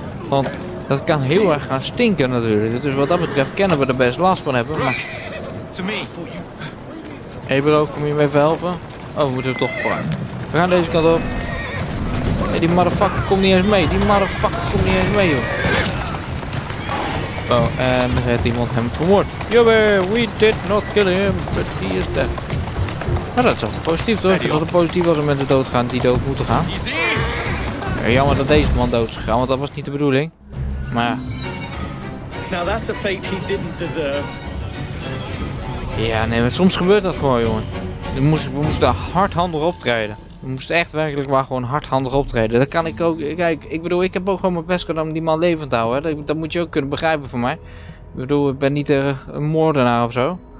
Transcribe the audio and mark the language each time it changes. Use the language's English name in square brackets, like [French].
[Dutch] Want dat kan heel erg gaan stinken natuurlijk. Dus wat dat betreft kennen we er best last van hebben. Maar hey bro, kom je me even helpen? Oh, we moeten we toch vooruit. We gaan deze kant op. Hey, die motherfucker komt niet eens mee. Die motherfucker komt niet eens mee, joh. Oh, en heeft iemand hem vermoord. [English] Jobbe, we did not kill him, but he is dead. [Dutch] Nou, dat is altijd positief, toch? Ik denk dat het positief was om mensen doodgaan die dood moeten gaan. Jammer dat deze man dood is gegaan, want dat was niet de bedoeling. Maar [English] now that's a fate he didn't deserve. [Dutch] Ja, nee, maar soms gebeurt dat gewoon, jongen. We moesten hardhandig optreden. We moesten echt werkelijk maar gewoon hardhandig optreden. Dat kan ik ook. Kijk, ik bedoel, ik heb ook gewoon mijn best gedaan om die man levend te houden. Hè. Dat moet je ook kunnen begrijpen van mij. Ik bedoel, ik ben niet een moordenaar of zo.